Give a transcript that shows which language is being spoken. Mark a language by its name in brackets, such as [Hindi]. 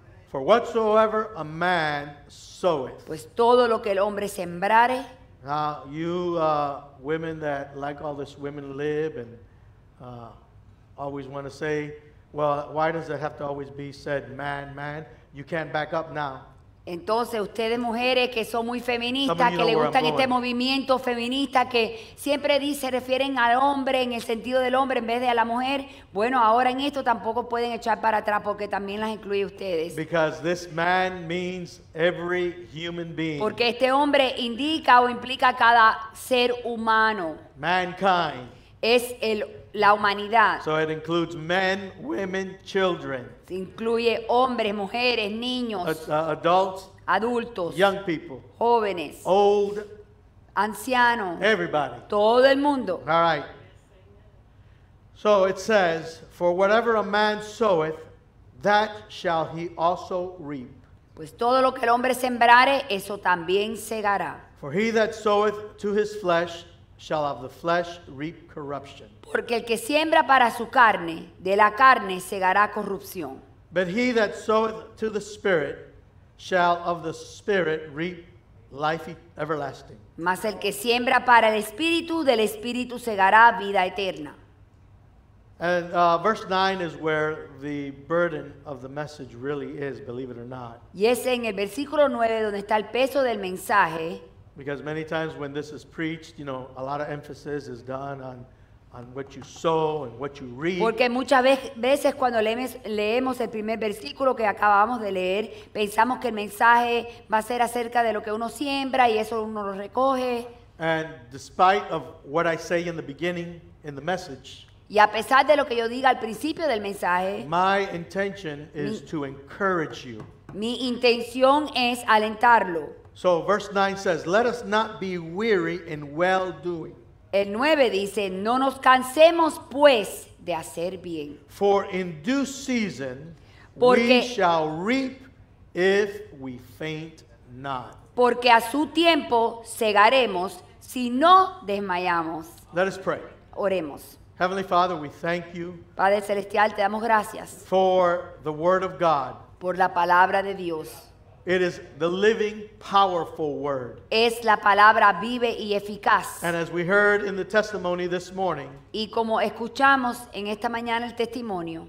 [English] For whatsoever a man soweth. [Spanish] Pues todo lo que el hombre sembrare. [English] Now, you women that like all this women lib and always want to say, well, why does it have to always be said man, man? You can't back up now. [Spanish] Entonces, ustedes mujeres que son muy feministas, que le gustan este movimiento feminista, que siempre dice, refieren al hombre en el sentido del hombre en vez de a la mujer, bueno, ahora en esto tampoco pueden echar para atrás porque también las incluye ustedes. [English] Because this man means every human being. [Spanish] Porque este hombre indica o implica cada ser humano. [English] Mankind. [Spanish] Es el la humanidad. [English] So it includes men, women, children. [Spanish] Incluye hombres, mujeres, niños, [English] adults, [Spanish] adultos, [English] young people, [Spanish] jóvenes, [English] old, [Spanish] ancianos, [English] everybody, [Spanish] todo el mundo. [English] All right. So it says, for whatever a man soweth, that shall he also reap. [Spanish] Pues todo lo que el hombre sembrare, eso también segará. [English] For he that soweth to his flesh shall of the flesh reap corruption. [Spanish] Porque el que siembra para su carne, de la carne segará corrupción. [English] But he that soweth to the Spirit shall of the Spirit reap life everlasting. [Spanish] Mas el que siembra para el Espíritu, del Espíritu segará vida eterna. [English] And verse 9 is where the burden of the message really is, believe it or not. [Spanish] Y es en el versículo 9 donde está el peso del mensaje. [English] Because many times when this is preached, you know, a lot of emphasis is done on what you sow and what you reap. [Spanish] Porque muchas veces cuando leemos el primer versículo que acabamos de leer, pensamos que el mensaje va a ser acerca de lo que uno siembra y eso uno lo recoge. [English] And despite of what I say in the beginning in the message, [Spanish] y a pesar de lo que yo diga al principio del mensaje, [English] my intention is to encourage you. [Spanish] Mi intención es alentarlo. [English] So verse 9 says, let us not be weary in well doing. [Spanish] El 9 dice, no nos cansemos pues de hacer bien. [English] For in due season we shall reap if we faint not. [Spanish] Porque a su tiempo segaremos si no desmayamos. [English] Let us pray. [Spanish] Oremos. [English] Heavenly Father, we thank you. [Spanish] Padre celestial, te damos gracias. [English] For the word of God. [Spanish] Por la palabra de Dios. [English] It is the living, powerful word. [Spanish] Es la palabra vive y eficaz. [English] And as we heard in the testimony this morning, [Spanish] y como escuchamos en esta mañana el testimonio,